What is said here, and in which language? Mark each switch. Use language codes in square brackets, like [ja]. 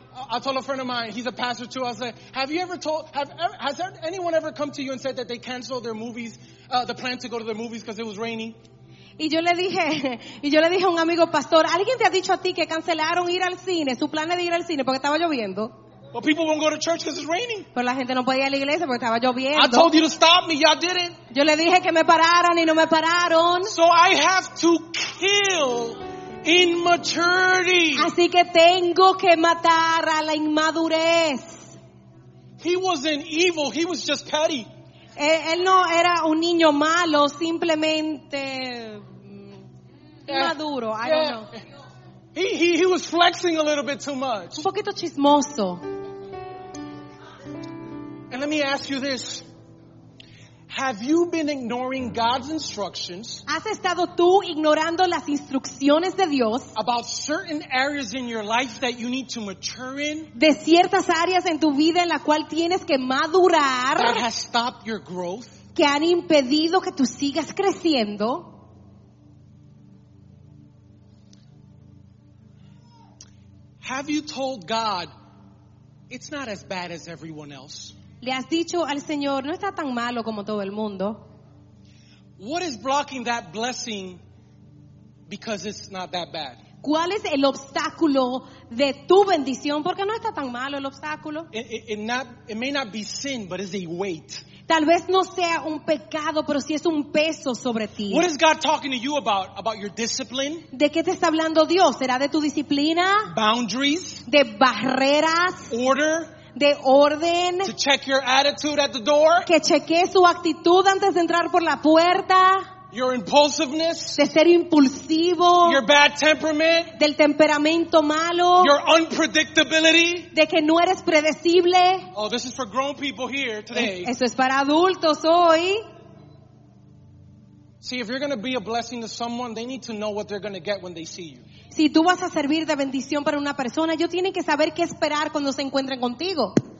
[en] I told a friend of mine, he's a pastor too. I said, has anyone ever come to you and said that they canceled their movies, the plan to go to the movies because it was raining? [es] Y yo le dije a un amigo pastor, ¿alguien te ha dicho a ti que cancelaron ir al cine, su plan de ir al cine porque estaba lloviendo? [en] Well, people won't go to church because it's raining. [es] Pero la gente no podía ir a la iglesia porque estaba lloviendo. [en] I told you to stop me, y'all didn't. [es] Yo le dije que me pararan y no me pararon. [en] So I have to kill immaturity. [es] Así que tengo que matar a la inmadurez. [en] He wasn't evil, he was just petty. [es] Él no era un niño malo, simplemente inmaduro. [en] I don't know. He was flexing a little bit too much. [es] Un poquito chismoso. [en] And let me ask you this. Have you been ignoring God's instructions? [es] ¿Has estado tú ignorando las instrucciones de Dios? [en] About certain areas in your life that you need to mature in? [es] De ciertas áreas en tu vida en la cual tienes que madurar. [en] That has stopped your growth? [es] Que han impedido que tú sigas creciendo. [en] Have you told God, it's not as bad as everyone else? [es] Le has dicho al Señor, no está tan malo como todo el mundo. [en] What is blocking that blessing because it's not that bad? [es] ¿Cuál es el obstáculo de tu bendición? Porque no está tan malo el obstáculo. [en] It may not be sin, but it's a weight. [es] Tal vez no sea un pecado, pero sí es un peso sobre ti. [en] What is God talking to you about your discipline? [es] ¿De qué te está hablando Dios? ¿Será de tu disciplina? [en] Boundaries. [es] ¿De barreras? [en] Order. [es] De orden. [en] To check your attitude at the door. [es] Que chequee su actitud antes de entrar por la puerta. [en] Your impulsiveness. [es] De ser impulsivo. [en] Your bad temperament. [es] Del temperamento malo. [en] Your unpredictability. [es] De que no eres predecible. [en] Oh, this is for grown people here today. [es] Eso es para adultos hoy. [en] See, if you're going to be a blessing to someone, they need to know what they're going to get when they see you. [es] Si tú vas a servir de bendición para una persona, ellos tienen que saber qué esperar cuando se encuentren contigo.